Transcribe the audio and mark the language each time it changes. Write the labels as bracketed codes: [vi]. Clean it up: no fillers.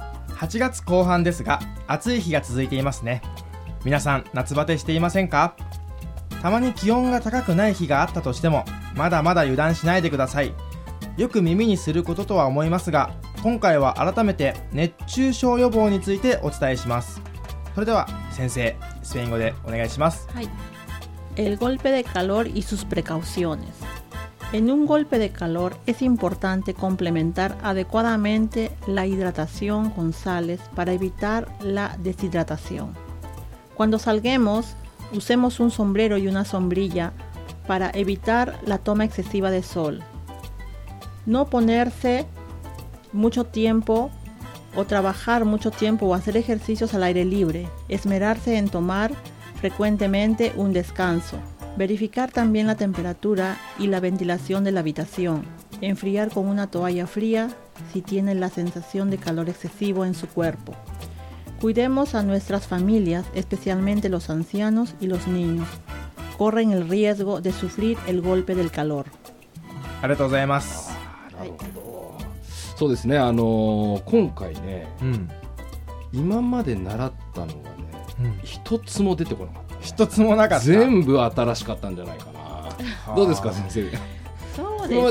[ja] 8月後半ですが、暑い日が続いていますね。皆さん夏バテしていませんか？たまに気温が高くない日があったとしても、まだまだ油断しないでください。よく耳にすることとは思いますが、今回は改めて熱中症予防についてお伝えします。それでは先生、スペイン語でお願いします。はい。 [es] El golpe de calor y sus precauciones. En un golpe de calor es importante complementar adecuadamente la hidratación con sales para evitar la deshidratación. Cuando salguemos, usemos un sombrero y una sombrilla para evitar la toma excesiva de sol. No ponerse mucho tiempo o trabajar mucho tiempo o hacer ejercicios al aire libre. Esmerarse en tomar frecuentemente un descanso. Verificar también la temperatura y la ventilación de la habitación. Enfriar con una toalla fría si tiene la sensación de calor excesivo en su cuerpo. Cuidemos a nuestras familias, especialmente los ancianos y los niños. Corren el riesgo de sufrir el golpe del calor. [ja] ありがとうございます。なるほど。そうですね、今回ね、うん、今まで習ったのがね、うん、一つも出てこなかった、ね、一つもなかった。全部新しかったんじゃないかな。どうですか先生。そうですね、今ま